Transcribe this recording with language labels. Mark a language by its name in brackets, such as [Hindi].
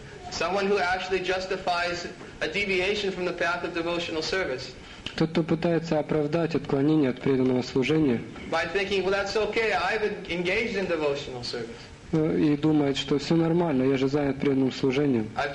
[English] Someone who actually justifies a deviation from the path of devotional service. [Russian] Тот, кто пытается оправдать отклонение от преданного служения. [English] By thinking, well, that's okay. I've engaged in devotional service. [Russian] И думает, что все нормально, я же занят преданным служением.